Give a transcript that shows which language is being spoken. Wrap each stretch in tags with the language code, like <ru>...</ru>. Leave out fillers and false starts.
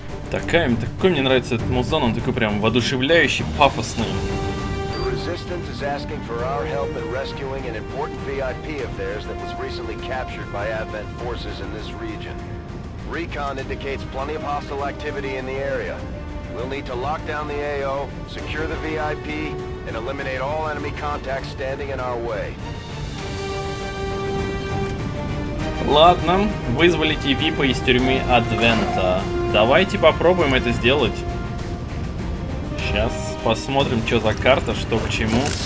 <ru>Такой мне нравится этот музон, он такой прям воодушевляющий, пафосный.</ru> <en>The Resistance is asking for our help in rescuing an important VIP of theirs that was recently captured by Advent forces in this region. Recon indicates plenty of hostile activity in the area. We'll need to lock down the AO, secure the VIP, and eliminate all enemy contacts standing in our way.</en> <ru>Ладно, вызволите випа из тюрьмы Адвента. Давайте попробуем это сделать. Сейчас посмотрим, что за карта, что к чему.</ru>